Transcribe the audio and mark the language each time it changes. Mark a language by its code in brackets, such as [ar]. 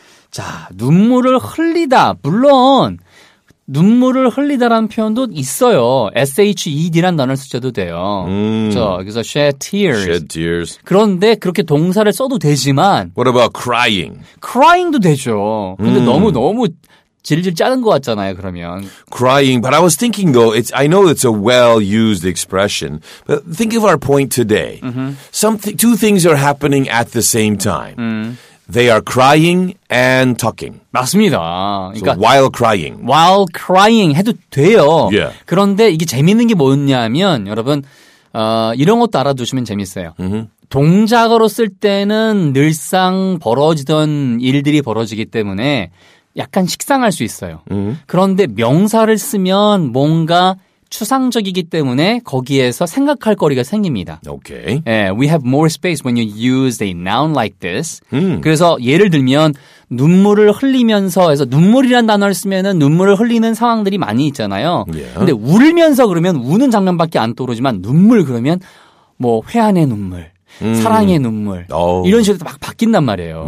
[ko] 자, 눈물을 흘리다. 물론 눈물을 흘리다라는 표현도 있어요. SHED라는 단어를 쓰셔도 돼요. 그렇죠? 그래서 [en] shed tears. Shed tears. [ko] 그런데 그렇게 동사를 써도 되지만 [en] What about crying? [ko] Crying도 되죠. 근데 너무 질질 짜는 것 같잖아요, 그러면. [en] Crying, but I was thinking though, I know it's a well-used expression, but think of our point today. Mm-hmm. Two things are happening at the same time. They are crying and talking. [ko] 맞습니다. 그러니까 [en] so while crying. While crying [ko] 해도 돼요. [en] Yeah. [ko] 그런데 이게 재밌는 게 뭐였냐면, 여러분, 이런 것도 알아두시면 재밌어요. Mm-hmm. 동작으로 쓸 때는 늘상 벌어지던 일들이 벌어지기 때문에 약간 식상할 수 있어요. 그런데 명사를 쓰면 뭔가 추상적이기 때문에 거기에서 생각할 거리가 생깁니다. [en] Okay. Yeah, we have more space when you use a noun like this. [ko] 그래서 예를 들면 눈물을 흘리면서 해서 눈물이란 단어를 쓰면은 눈물을 흘리는 상황들이 많이 있잖아요. 근데 울면서 그러면 우는 장면밖에 안 떠오르지만 눈물 그러면 뭐 회한의 눈물, 사랑의 눈물 이런 식으로 막 바뀐단 말이에요.